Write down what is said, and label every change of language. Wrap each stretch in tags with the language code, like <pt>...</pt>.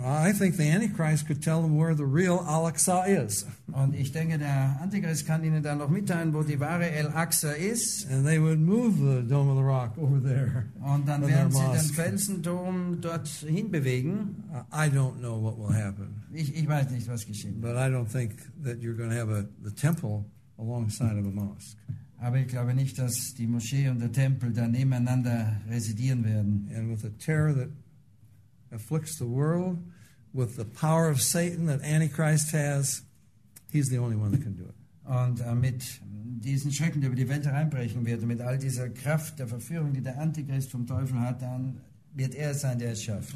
<en>I think the Antichrist could tell them where the real Al-Aqsa is.</en> <de>Und ich denke, der Antichrist kann ihnen dann noch mitteilen, wo die wahre Al-Aqsa ist.</de> <en>And they would move the Dome of the Rock over there.</en> <de>Und dann werden sie den Felsenturm dort hinbewegen.</de> <en>I don't know what will happen.</en> <de>Ich weiß nicht, was geschehen.</de> <en>But I don't think that you're going to have the temple alongside of a mosque.</en> <de>Aber ich glaube nicht, dass die Moschee und der Tempel da nebeneinander residieren werden.</de> <en>And with the terror that afflicts the world, with the power of Satan that Antichrist has, he's the only one that can do it.</en> <de>Und mit diesen Schrecken, die über die Welt hereinbrechen wird, und mit all dieser Kraft der Verführung, die der Antichrist vom Teufel hat, dann wird er sein, der es schafft.</de>